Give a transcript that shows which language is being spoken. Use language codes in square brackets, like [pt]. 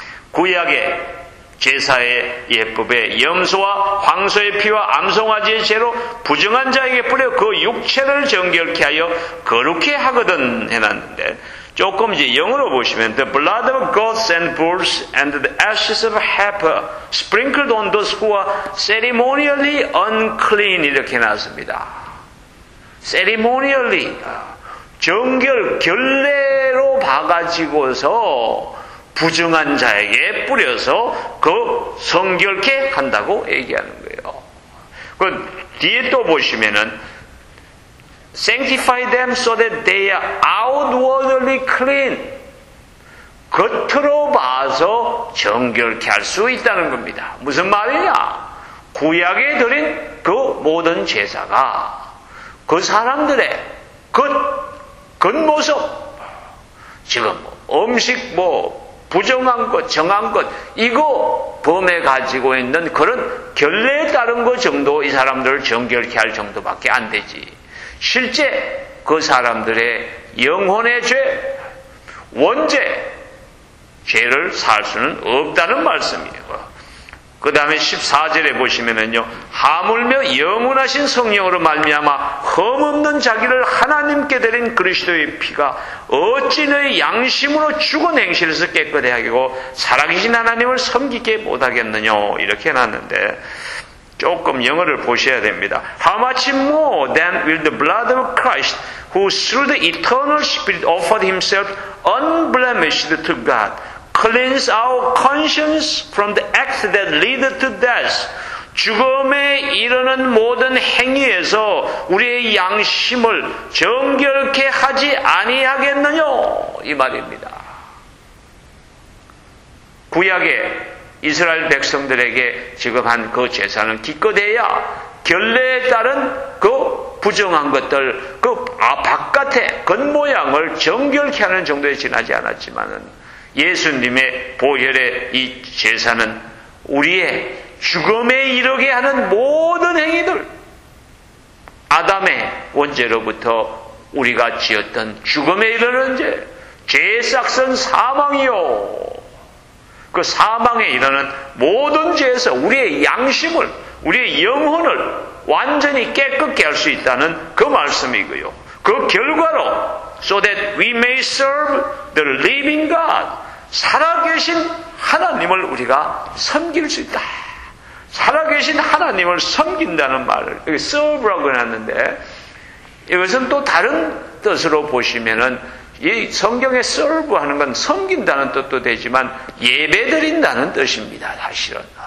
[ko] 구약의 제사의 예법에 염소와 황소의 피와 암송아지의 죄로 부정한 자에게 뿌려 그 육체를 정결케 하여 거룩해 하거든 해놨는데 조금 이제 영어로 보시면 [en] The blood of goats and bulls and the ashes of heifer sprinkled on those who are ceremonially unclean [ko] 이렇게 나왔습니다. Ceremonially 정결 결례로 봐가지고서 부정한 자에게 뿌려서 그 성결케 한다고 얘기하는 거예요. 그 뒤에 또 보시면은 [en] Sanctify them so that they are outwardly clean. [ko] 겉으로 봐서 정결케 할 수 있다는 겁니다. 무슨 말이냐? 구약에 드린 그 모든 제사가 그 사람들의 겉, 겉모습, 지금 음식 뭐 부정한 것, 정한 것, 이거 범해 가지고 있는 그런 결례에 따른 것 정도 이 사람들을 정결케 할 정도밖에 안 되지. 실제 그 사람들의 영혼의 죄, 원죄, 죄를 살 수는 없다는 말씀이에요. 그 다음에 14절에 보시면은요, 하물며 영원하신 성령으로 말미암아 흠없는 자기를 하나님께 드린 그리스도의 피가 어찌 너의 양심으로 죽은 행실에서 깨끗하게 하고 살아계신 하나님을 섬기게 못하겠느냐 이렇게 해놨는데 조금 영어를 보셔야 됩니다. [en] How much more than will the blood of Christ, who through the eternal Spirit offered himself unblemished to God, cleanse our conscience from the acts that lead to death. [ko] 죽음에 이르는 모든 행위에서 우리의 양심을 정결케 하지 아니하겠느냐? 이 말입니다. 구약에 이스라엘 백성들에게 지금 한 그 제사는 기껏해야 결례에 따른 그 부정한 것들, 그 바깥의 겉모양을 정결케 하는 정도에 지나지 않았지만은 예수님의 보혈의 이 제사는 우리의 죽음에 이르게 하는 모든 행위들, 아담의 원죄로부터 우리가 지었던 죽음에 이르는 죄, 죄의 싹은 사망이요. 그 사망에 이르는 모든 죄에서 우리의 양심을, 우리의 영혼을 완전히 깨끗게 할 수 있다는 그 말씀이고요. 그 결과로, [en] so that we may serve the living God. [ko] 살아계신 하나님을 우리가 섬길 수 있다. 살아계신 하나님을 섬긴다는 말을 여기 serve라고 해놨는데 이것은 또 다른 뜻으로 보시면은 이 성경에 serve하는 건 섬긴다는 뜻도 되지만 예배드린다는 뜻입니다. 사실은.